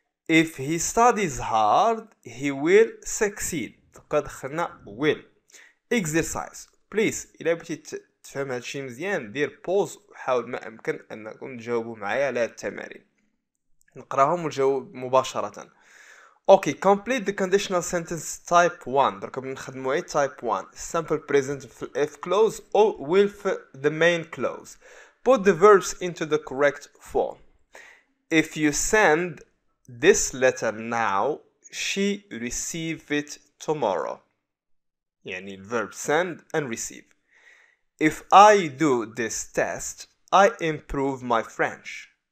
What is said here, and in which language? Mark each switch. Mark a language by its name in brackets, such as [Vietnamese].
[English] If he studies hard, he will succeed. [Arabic] قد خلنا will. [English] Exercise. [Arabic] Please, إلا بغيتي تفهم هادشي مزيان, دير [English] pause [Arabic] وحاول ما أمكن أنكم تجاوبوا معايا على التمارين. نقراهم ونجاوب مباشرة. [English] Okay, complete the conditional sentence type 1. [Arabic] درك بنخدمو اي type 1. [English] Simple present for if clause or will for the main clause. Put the verbs into the correct form. If you send this letter now, she receive it tomorrow. [Arabic] يعني [English] verb send and receive. If I do this test, I improve my French.